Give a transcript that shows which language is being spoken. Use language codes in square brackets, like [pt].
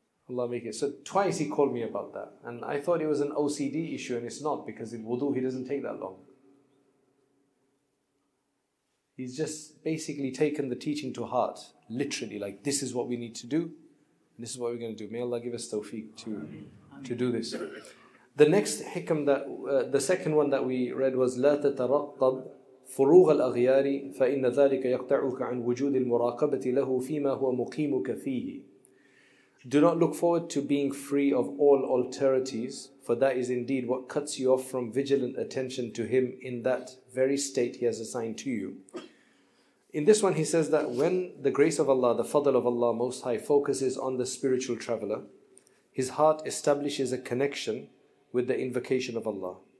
[en] Allah make it. So twice he called me about that, and I thought it was an OCD issue, and it's not, because in wudu he doesn't take that long. He's just basically taken the teaching to heart, literally, like this is what we need to do, and this is what we're going to do. May Allah give us tawfiq to do this. The next hikam, the second one that we read was, [ar] لا تترقب فروغ الأغيار فإن ذلك يقطعك عن وجود المراقبة له فيما هو مقيمك فيه. [en] Do not look forward to being free of all alterities, for that is indeed what cuts you off from vigilant attention to him in that very state he has assigned to you. In this one he says that when the grace of Allah, the fadl of Allah Most High, focuses on the spiritual traveler, his heart establishes a connection with the invocation of Allah.